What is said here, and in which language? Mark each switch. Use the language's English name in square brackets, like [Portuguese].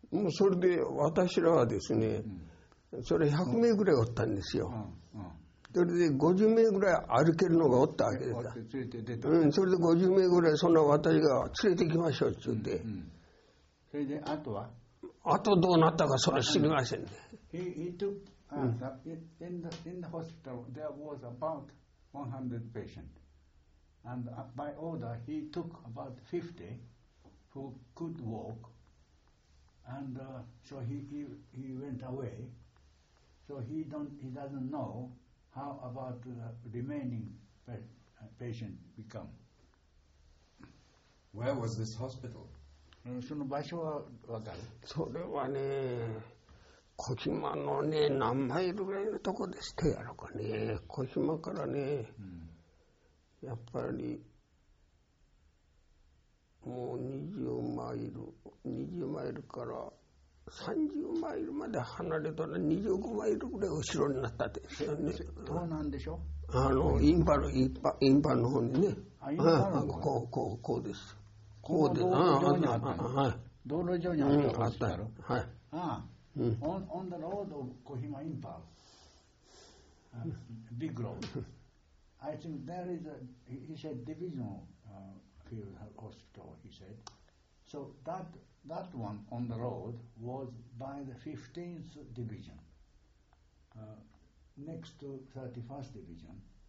[Japanese] それで私らはですね、それ100名ぐらいおったんですよ。それで50名ぐらい歩けるのがおったわけです。それで50名ぐらい、そんな私が連れて行きましょうって言って。それで、あとはあとどうなったか、それは知りませんね。 [English] In the hospital, there was about 100 patients, and by order he took about 50 who could walk, and so he went away. So he doesn't know how about the remaining patient become. Where was this hospital? [Japanese] その場所はわかる。それはね、小島のね、何マイルぐらいのとこでしてやろうかね、小島からね、やっぱりもう20マイルから30マイルまで離れたら25マイルぐらい後ろになったってですよね。どうなんでしょう、インパの方にね、はい、こうです、こうで、道路上にあったの、はい、道路上にあったの、あったの、はい、 [English] On the road of Kohima Impal, big road, I think there is a, he said, divisional field hospital, he said. So that one on the road was by the 15th division, next to 31st division.